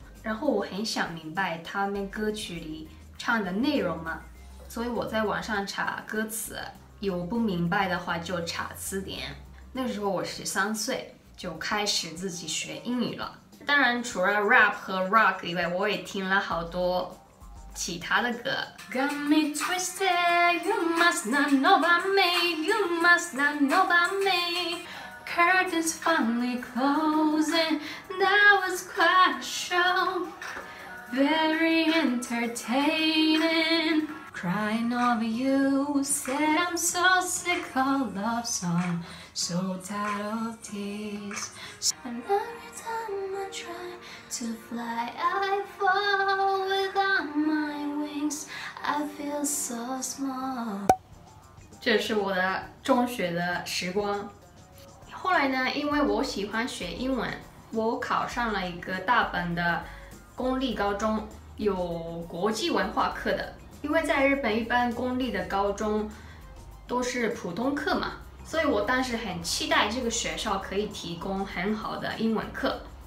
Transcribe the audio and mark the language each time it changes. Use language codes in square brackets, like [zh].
[zh] 然后我很想明白他们歌曲里唱的内容嘛，所以我在网上查歌词，有不明白的话就查词典。那时候我13岁，就开始自己学英语了。当然除了 rap 和 rock 以外，我也听了好多其他的歌。 [en] Got me twisted, you must not know about me, you must not know about me, curtains finally closing, that was quite a show, very entertaining, crying over you, said I'm so sick of love song, so tired of tears, and every time I try to fly, I fall without myI feel so small. [zh] 这是我的中学的时光。后来呢，因为我喜欢学英文，我考上了一个大阪的公立高中，有国际文化课的。因为在日本一般公立的高中都是普通课嘛，所以我当时很期待这个学校可以提供很好的英文课。